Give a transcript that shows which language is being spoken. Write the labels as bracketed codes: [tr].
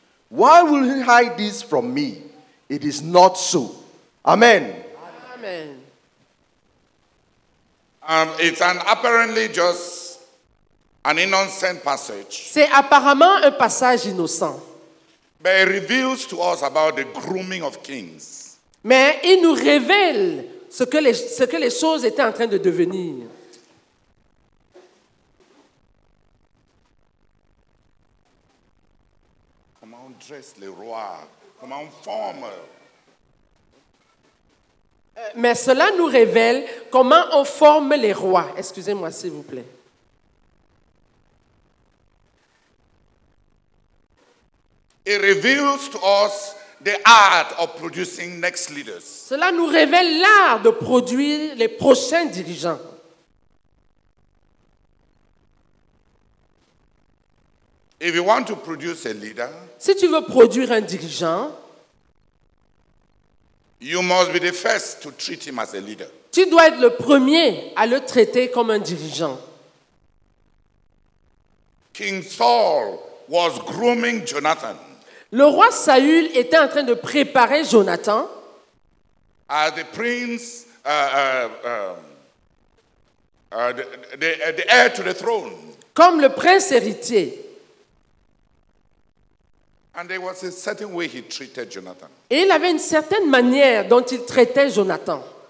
[en] Why will he hide this from me? It is not so. Amen. Amen. It's an apparently just an innocent passage. [fr] C'est apparemment un passage innocent. [en] But it reveals to us about the grooming of kings. [fr] Mais il nous révèle ce que les choses étaient en train de devenir. Comment on dresse les rois? Comment on forme Mais cela nous révèle comment on forme les rois. Excusez-moi, s'il vous plaît. [en] It reveals to us the art of producing next leaders. [fr] Cela nous révèle l'art de produire les prochains dirigeants. [en] If you want to produce a leader, [fr] si tu veux produire un dirigeant, [en] you must be the first to treat him as a leader. [fr] Tu dois être le premier à le traiter comme un dirigeant. [en] King Saul was grooming Jonathan. [fr] Le roi Saül était en train de préparer Jonathan. [en] As the prince, the heir to the throne. [fr] Comme le prince héritier. [en] And there was a certain way he treated Jonathan. [fr] Et il avait une certaine manière dont il traitait Jonathan.